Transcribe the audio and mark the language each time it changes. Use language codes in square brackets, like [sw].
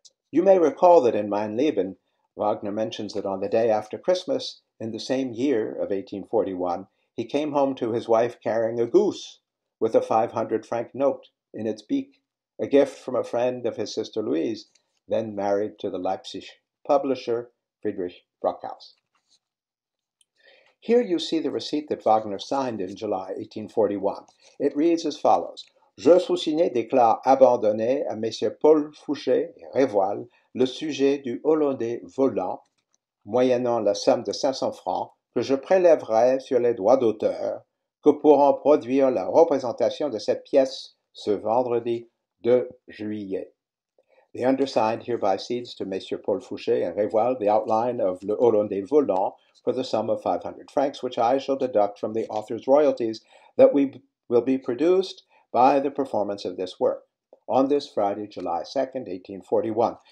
[en] You may recall that in Mein Leben, Wagner mentions that on the day after Christmas, in the same year of 1841, he came home to his wife carrying a goose with a 500-franc note in its beak, a gift from a friend of his sister Louise, then married to the Leipzig publisher Friedrich Brockhaus. Here you see the receipt that Wagner signed in July 1841. It reads as follows. [fr] Je Soussigné déclare abandonné à Messieurs Paul Fouché et Révoil le sujet du Hollandais volant, moyennant la somme de 500 francs que je prélèverai sur les droits d'auteur que pourront produire la représentation de cette pièce ce vendredi 2 juillet. [en] The undersigned hereby cedes to Messieurs Paul Fouché and Révoil the outline of Le Hollandais volant for the sum of 500 francs, which I shall deduct from the author's royalties that will be produced by the performance of this work on this Friday, July 2nd, 1841.